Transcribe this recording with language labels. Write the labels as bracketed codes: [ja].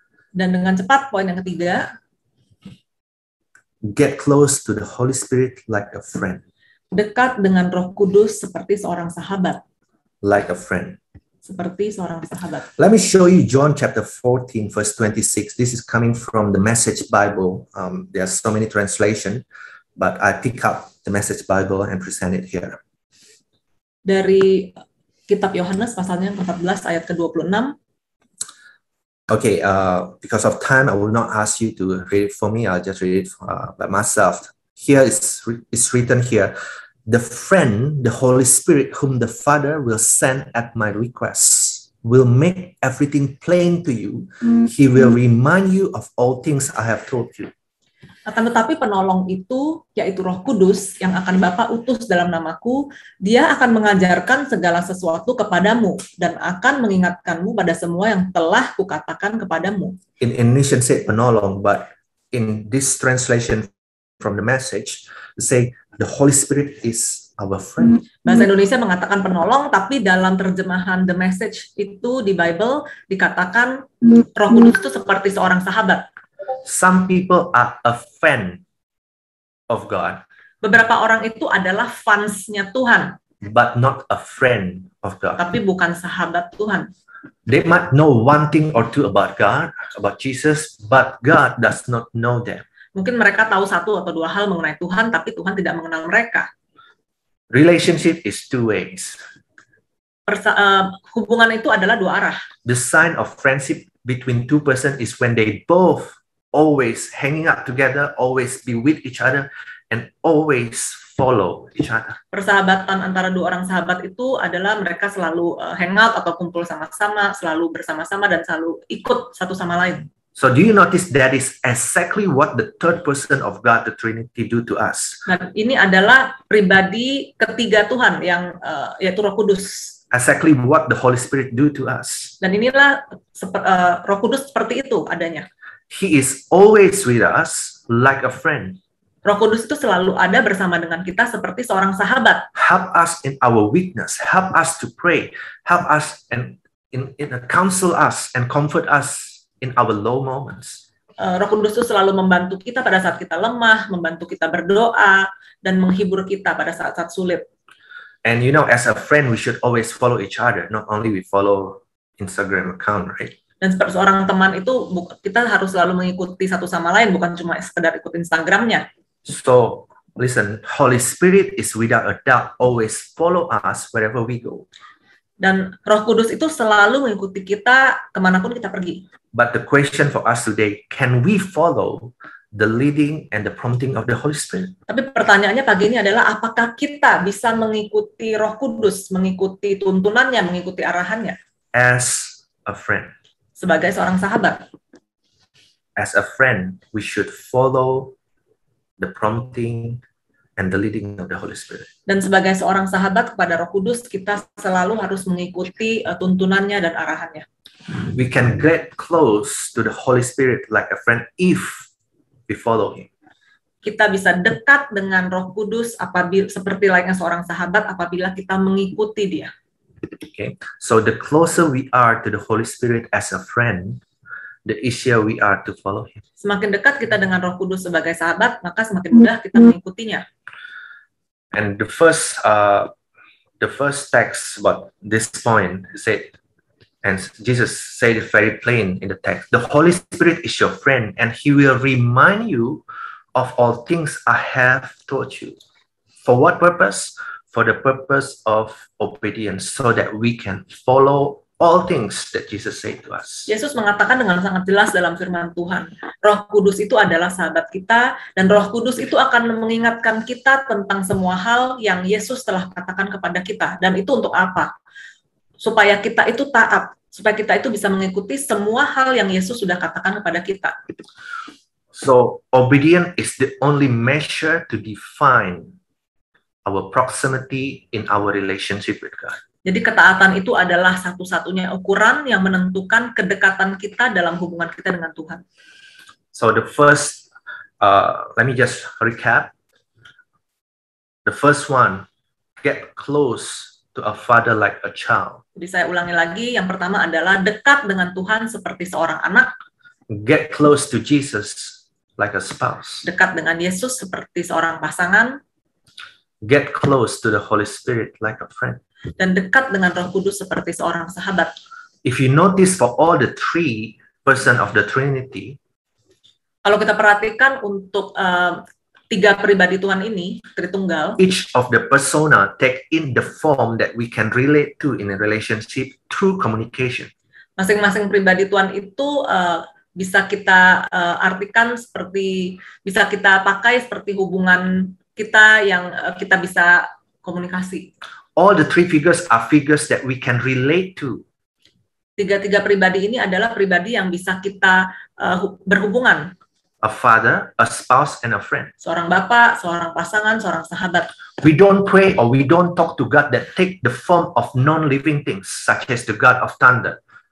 [id] Dan dengan cepat, poin yang ketiga. [en] Get close to the Holy Spirit like a friend. [id] Dekat dengan Roh Kudus seperti seorang sahabat. [en] Like a friend. [id] Seperti seorang sahabat. [en] Let me show you John chapter 14 verse 26. This is coming from the Message Bible. There are so many translation, but I pick up the Message Bible and present it here. [id] Dari kitab Yohanes pasalnya 14 ayat ke-26. [en] Okay, because of time I will not ask you to read it for me. I'll just read it by myself. Here it's written here. the friend, the Holy Spirit, whom the Father will send at my request, will make everything plain to you. Mm-hmm. He will remind you of all things I have told you. [id] Akan tetapi penolong itu, yaitu Roh Kudus, yang akan Bapa utus dalam namaku, dia akan mengajarkan segala sesuatu kepadamu, dan akan mengingatkanmu pada semua yang telah kukatakan kepadamu. [en] In Indonesian say penolong, but in this translation from the Message, say the Holy Spirit is our friend. [id] Bahasa Indonesia mengatakan penolong, tapi dalam terjemahan The Message itu di Bible, dikatakan Roh Kudus itu seperti seorang sahabat. [en] Some people are a fan of God. [id] Beberapa orang itu adalah fansnya Tuhan. [en] But not a friend of God. [id] Tapi bukan sahabat Tuhan. [en] They might know one thing or two about God, about Jesus, but God does not know them. [id] Mungkin mereka tahu satu atau dua hal mengenai Tuhan, tapi Tuhan tidak mengenal mereka. [en] Relationship is two ways. [id] Hubungan itu adalah dua arah. [en] The sign of friendship between two person is when they both always hanging out together, always be with each other, and always follow each other. [id] Persahabatan antara dua orang sahabat itu adalah mereka selalu hangout atau kumpul sama-sama, selalu bersama-sama, dan selalu ikut satu sama lain. [en] So do you notice that is exactly what the third person of God, the Trinity, do to us? [id] Nah, ini adalah pribadi ketiga Tuhan, yang yaitu Roh Kudus. [en] Exactly what the Holy Spirit do to us. [id] Dan inilah Roh Kudus seperti itu adanya. [en] He is always with us like a friend. [id] Roh Kudus itu selalu ada bersama dengan kita seperti seorang sahabat. [en] Help us in our weakness. Help us to pray. Help us and in counsel us and comfort us in our low moments. [id] Roh Kudus itu selalu membantu kita pada saat kita lemah, membantu kita berdoa, dan menghibur kita pada saat-saat sulit. [en] And you know, as a friend, we should always follow each other. Not only we follow Instagram account, right? [id] Dan seorang teman itu kita harus selalu mengikuti satu sama lain, bukan cuma sekedar ikut Instagramnya. [en] So listen, Holy Spirit is without a doubt always follow us wherever we go. [id] Dan Roh Kudus itu selalu mengikuti kita kemanapun kita pergi. [en] But the question for us today, can we follow the leading and the prompting of the Holy Spirit? [id] Tapi pertanyaannya pagi ini adalah apakah kita bisa mengikuti Roh Kudus, mengikuti tuntunannya, mengikuti arahannya? [en] As a friend. [id] Sebagai seorang sahabat. [en] As a friend, we should follow the prompting and the leading of the Holy Spirit. [id] Dan sebagai seorang sahabat kepada Roh Kudus, kita selalu harus mengikuti tuntunannya dan arahannya. [en] We can get close to the Holy Spirit like a friend if we follow him. [id] Kita bisa dekat dengan Roh Kudus apabila seperti layaknya seorang sahabat apabila kita mengikuti dia. [en] Okay, so the closer we are to the Holy Spirit as a friend, the easier we are to follow him. [id] Semakin dekat kita dengan Roh Kudus sebagai sahabat, maka semakin mudah kita mengikutinya. [en] And the first text about this point said, and Jesus said it very plain in the text, the Holy Spirit is your friend and he will remind you of all things I have taught you. For what purpose? For the purpose of obedience, so that we can follow all things that Jesus said to us. [id] Yesus mengatakan dengan sangat jelas dalam firman Tuhan, Roh Kudus itu adalah sahabat kita, dan Roh Kudus itu akan mengingatkan kita tentang semua hal yang Yesus telah katakan kepada kita. Dan itu untuk apa? Supaya kita itu taat, supaya kita itu bisa mengikuti semua hal yang Yesus sudah katakan kepada kita. [en] So, obedience is the only measure to define our proximity in our relationship with God. [id] Jadi ketaatan itu adalah satu-satunya ukuran yang menentukan kedekatan kita dalam hubungan kita dengan Tuhan. [en] So the first, let me just recap. The first one, get close to a father like a child. [id] Jadi saya ulangi lagi, yang pertama adalah dekat dengan Tuhan seperti seorang anak. [en] Get close to Jesus like a spouse. [id] Dekat dengan Yesus seperti seorang pasangan. [en] Get close to the Holy Spirit like a friend. [id] Dan dekat dengan Roh Kudus seperti seorang sahabat. [en] If you notice for all the three person of the Trinity, [id] kalau kita perhatikan untuk tiga pribadi Tuhan ini, Tritunggal, [en] each of the persona take in the form that we can relate to in a relationship through communication. [id] Masing-masing pribadi Tuhan itu bisa kita artikan seperti, bisa kita pakai seperti hubungan kita yang kita bisa komunikasi. [en] All the three figures are figures that we can relate to. [id] Tiga-tiga pribadi ini adalah pribadi yang bisa kita berhubungan. [en] A father, a spouse, and a friend. [id] Seorang bapak, seorang pasangan, seorang sahabat. [en] We don't pray or we don't talk to God that take the form of non-living things, such as the God of thunder.